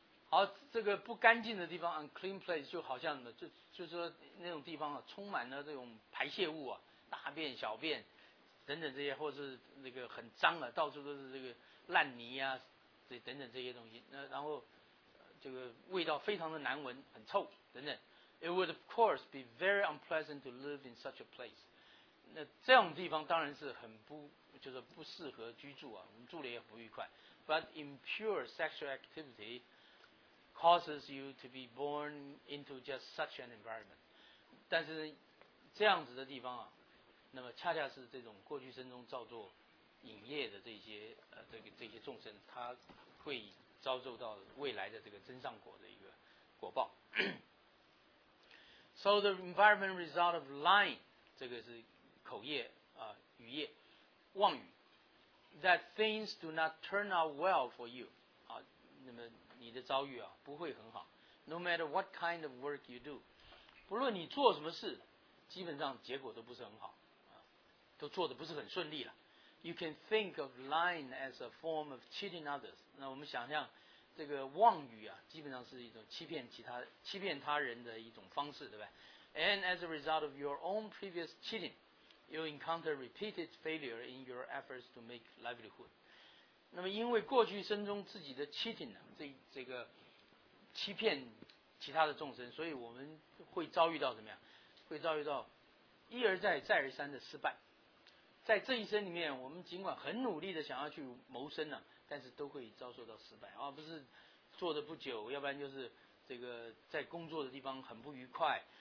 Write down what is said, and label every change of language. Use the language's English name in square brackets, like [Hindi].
[Chinese] 好，这个不干净的地方 [English] unclean place [Chinese] 就好像什么，就是说那种地方啊，充满了这种排泄物啊，大便小便等等这些，或者是那个很脏啊，到处都是这个烂泥啊，这等等这些东西，然后这个味道非常的难闻，很臭等等。 [English] It would of course be very unpleasant to live in such a place. [Chinese] 那这样的地方当然是很不，就是不适合居住啊，我们住了也不愉快。 [English] But impure sexual activity causes you to be born into just such an environment. [Chinese] 但是这样子的地方啊，那么恰恰是这种过去生中造作淫业的这些众生，他会遭受到未来的这个增上果的一个果报。 [English] So the environment result of lying, [Chinese] 这个是口业啊，语业，妄语。 [English] That things do not turn out well for you, [Chinese] 啊，那么你的遭遇啊不会很好。 [English] No matter what kind of work you do, [Chinese] 不论你做什么事，基本上结果都不是很好，啊，都做的不是很顺利了。 [English] You can think of lying as a form of cheating others. [Chinese] 那我们想象这个妄语啊，基本上是一种欺骗他人的一种方式，对吧？ [English] And as a result of your own previous cheating, you encounter repeated failure in your efforts to make livelihood. [Chinese] 那么因为过去生中自己的 cheating 呢，这个欺骗其他的众生，所以我们会遭遇到怎么样？会遭遇到一而再，再而三的失败。在这一生里面，我们尽管很努力的想要去谋生呢，但是都会遭受到失败，而不是做的不久，要不然就是这个在工作的地方很不愉快，